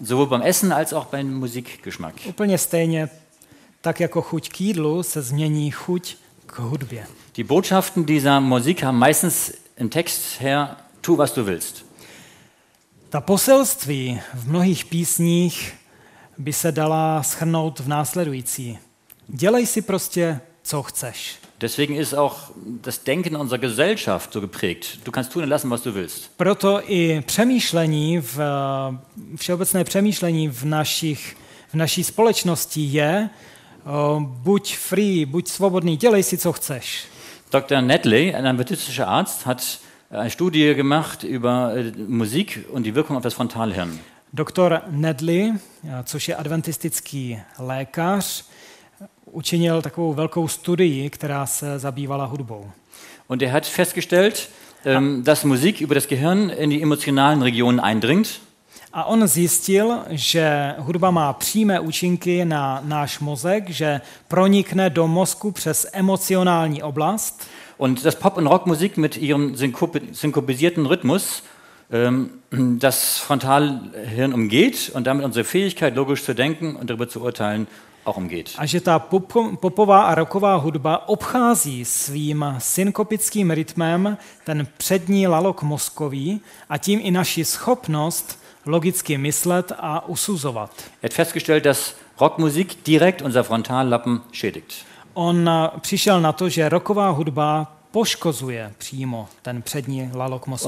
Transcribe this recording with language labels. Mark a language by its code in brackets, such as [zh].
[de] Sowohl beim Essen als auch beim Musikgeschmack. [cs] Úplně stejně, tak jako chuť k jídlu, se změní chuť k hudbě. [de] Die Botschaften dieser Musik haben meistens im Text her tu was du willst. [cs] Ta poselství v mnohých písních by se dala shrnout v následující. Dělej si prostě, co chceš. [de] Deswegen ist auch das Denken unserer Gesellschaft so geprägt. Du kannst tun und lassen, was du willst. [cs] Proto i přemýšlení všeobecné přemýšlení v naší společnosti je buď free, buď svobodný, dělej si, co chceš. [de] Dr. Netley, ein britischer Arzt, hat eine Studie gemacht über Musik und die Wirkung auf das Frontalhirn. [cs] Dr. Netley, což je adventistický lékař, učinil takovou velkou studii, která se zabývala hudbou. [de] Und er hat festgestellt, dass Musik über das Gehirn in die emotionalen Regionen eindringt. [cs] A on zjistil, že hudba má přímé účinky na náš mozek, že pronikne do mozku přes emocionální oblast. [de] Und das Pop- und Rockmusik mit ihrem synkopisierten Rhythmus das Frontalhirn umgeht und damit unsere Fähigkeit logisch zu denken und darüber zu urteilen auch umgeht. [cs] A že ta popová a rocková hudba obchází svým synkopickým rytmem ten přední lalok mozkový a tím i naši schopnost logicky myslet a usuzovat. [de] Er hat festgestellt, dass Rockmusik direkt unser Frontallappen schädigt. [cs] On přišel na to, že rocková hudba poškozuje přímo ten přední lalok mozku.